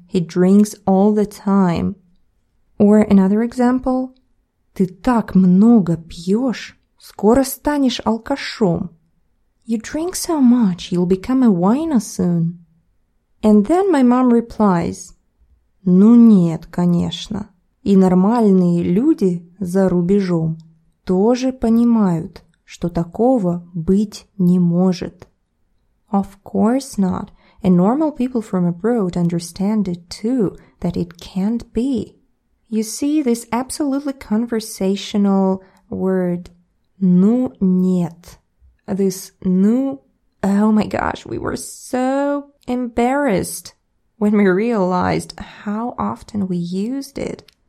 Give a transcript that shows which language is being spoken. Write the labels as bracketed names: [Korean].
[English] He drinks all the time. Or another example. [Russian] Ты так много пьешь. Скоро станешь алкашом. [English] You drink so much, you'll become a wino soon. And then my mom replies, [Russian] ну нет, конечно. И нормальные люди за рубежом тоже понимают, что такого быть не может. [English] Of course not. And normal people from abroad understand it too, that it can't be. You see, this absolutely conversational word, [Russian] ну нет. [English] This ну, oh my gosh, we were so embarrassed when we realized how often we used it.